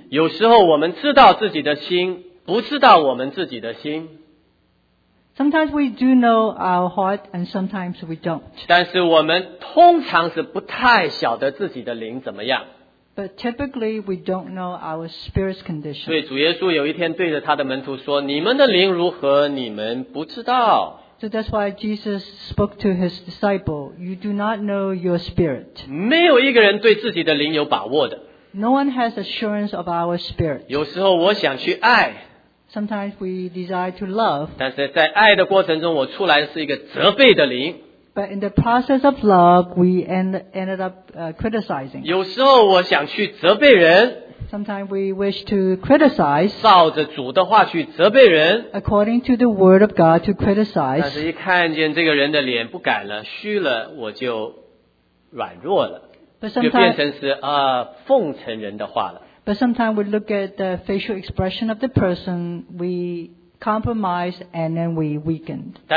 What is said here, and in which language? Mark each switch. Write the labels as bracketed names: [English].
[Chinese] 有时候我们知道自己的心，不知道我们自己的心。 [English] Sometimes we do know our heart and sometimes we don't. [Chinese] 但是我们通常是不太晓得自己的灵怎么样。 [English] But typically we don't know our spirit's condition. [Chinese] 对，主耶稣有一天对着他的门徒说， 你们的灵如何， 你们不知道。 [English] So that's why Jesus spoke to his disciple, you do not know your spirit. [Chinese] 没有一个人对自己的灵有把握的。 [English] No one has assurance of our spirit. [Chinese] 有时候我想去爱。 [English] Sometimes we desire to love. [Chinese] 但是在爱的过程中，我出来是一个责备的灵。 [English] But in the process of love, we ended up criticizing. [Chinese] 有时候我想去责备人。 [English] Sometimes we wish to criticize. [Chinese] 照着主的话去责备人。 [English] According to the word of God to criticize. [Chinese] 但是一看见这个人的脸不敢了，虚了，我就软弱了。 [English] But sometimes, [Chinese] 就变成是奉承人的话了。 [English] But sometimes we look at the facial expression of the person, we compromise and then we weaken.